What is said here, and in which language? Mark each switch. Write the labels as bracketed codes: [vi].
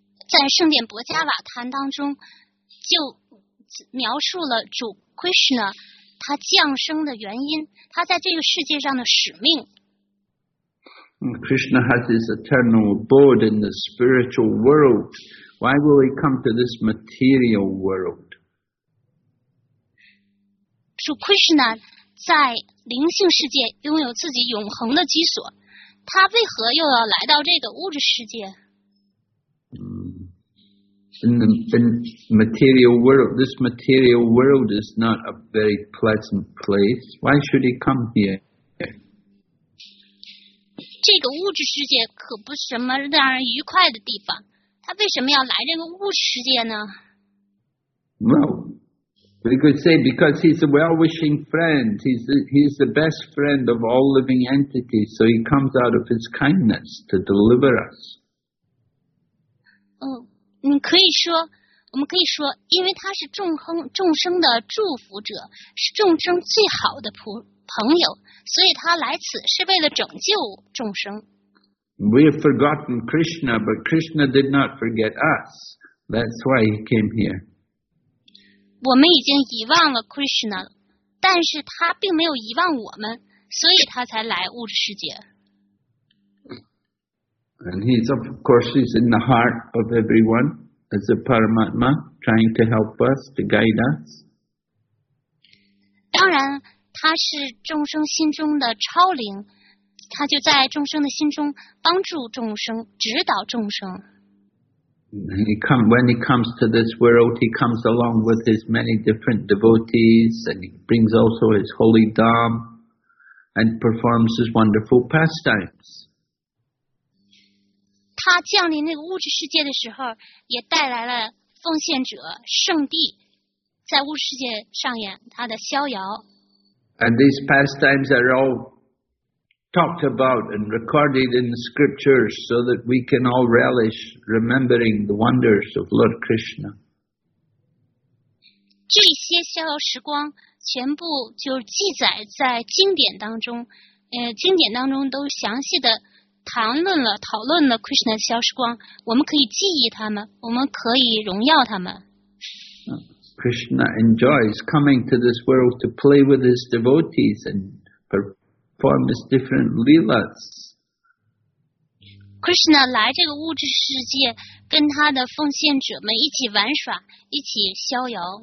[zh] 在圣典博伽瓦坛当中，就描述了主 Krishna 他降生的原因，他在这个世界上的使命。 [en] Krishna has his eternal abode in the spiritual world. Why will he come to this material world? [zh] 主 Krishna 在灵性世界拥有自己永恒的居所，他为何又要来到这个物质世界？ [en] In material world, this material world is not a very pleasant place. Why should he come here? [zh] 这个物质世界可不是什么让人愉快的地方，他为什么要来这个物质世界呢？ [en] We could say because he's a well-wishing friend. He's the best friend of all living entities. So he comes out of his kindness to deliver us. [zh] 你可以说，我们可以说，因为他是众生的祝福者，是众生最好的朋友，所以他来此是为了拯救众生。 [en] We have forgotten Krishna, but Krishna did not forget us. That's why he came here. [zh] 我们已经遗忘了 Krishna 了，但是他并没有遗忘我们，所以他才来物质世界。 [en] And he's, of course, he's in the heart of everyone as a Paramatma, trying to help us, to guide us. [zh] 当然，他是众生心中的超灵，他就在众生的心中帮助众生，指导众生。 [en] When he comes to this world, he comes along with his many different devotees, and he brings also his holy Dham, and performs his wonderful pastimes. [zh] 他降临那个物质世界的时候，也带来了奉献者圣地，在物质世界上演他的逍遥。 [en] And these pastimes are all talked about and recorded in the scriptures so that we can all relish remembering the wonders of Lord Krishna. [zh] 这些逍遥时光全部就记载在经典当中，经典当中都详细的谈论了，讨论了 Krishna 的逍遥时光，我们可以记忆他们，我们可以荣耀他们。 [en] Krishna enjoys coming to this world to play with his devotees and perform his different leelas. [zh] Krishna 来这个物质世界，跟他的奉献者们一起玩耍，一起逍遥。